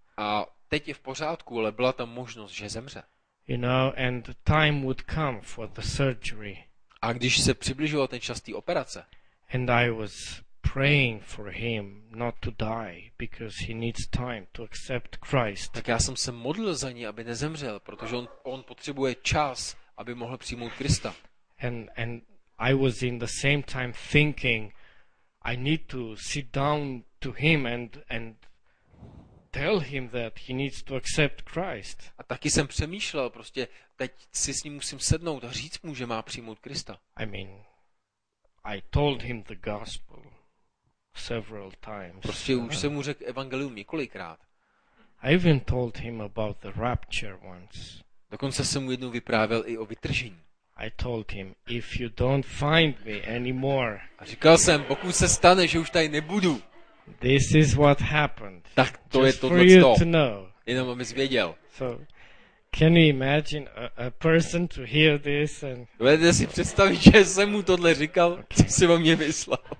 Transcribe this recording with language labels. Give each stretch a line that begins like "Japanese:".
Czech: A teď je v pořádku, ale byla tam možnost, že zemře.
English: You know, and time would come for the surgery.
Czech: A když se přibližoval ten čas té operace.
English: And I was praying for him not to die because he needs time to accept Christ.
Czech: Tak já jsem se modlil za něj, aby nezemřel, protože on potřebuje čas, aby mohl přijmout Krista.
English: And I was in the same time thinking I need to sit down to him and tell him that he needs to accept Christ.
Czech: A taky jsem přemýšlel, prostě teď si s ním musím sednout a říct mu, že má přijmout Krista.
English: I mean, I told him the gospel several times.
Czech: Prostě už jsem mu řekl evangelium několikrát.
English: I even told him about the rapture once.
Czech: Dokonce jsem mu jednou vyprávěl i o vytržení.
English: I told him if you don't find me anymore.
Czech: A říkal jsem, pokud se stane, že už tady nebudu.
English: This is what happened.
Czech: Tak to
English: just
Czech: je
English: for you to know.
Czech: Jenom aby jsi věděl.
English: So, can you imagine a person to hear this and?
Czech: Dovedete si představit, že jsem mu tohle říkal, co si o mě myslel.